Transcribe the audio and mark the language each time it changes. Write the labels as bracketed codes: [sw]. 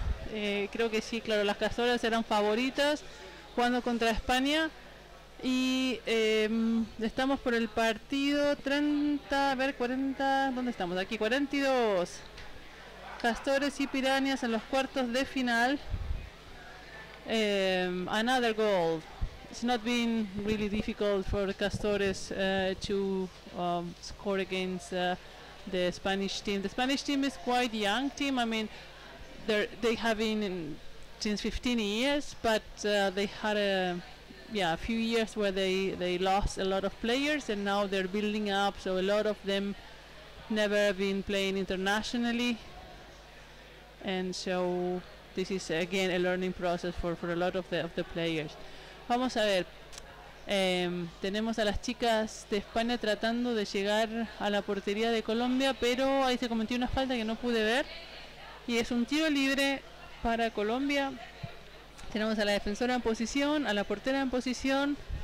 [es] Creo que sí, claro, las Castores eran favoritas jugando contra España. Y estamos por el partido 30, a ver, 40, ¿dónde estamos? Aquí, 42. Castores y Pirañas en los cuartos de final. [en] Another goal. It's not been really difficult for Castores to score against the Spanish team. The Spanish team is quite young team. I mean, they have been since 15 years, but they had a few years where they lost a lot of players, and now they're building up. So a lot of them never been playing internationally, and so this is again a learning process for a lot of the players. [es] Vamos a ver. Tenemos a las chicas de España tratando de llegar a la portería de Colombia, pero ahí se cometió una falta que no pude ver. Y es un tiro libre para Colombia. Tenemos a la defensora en posición, a la portera en posición.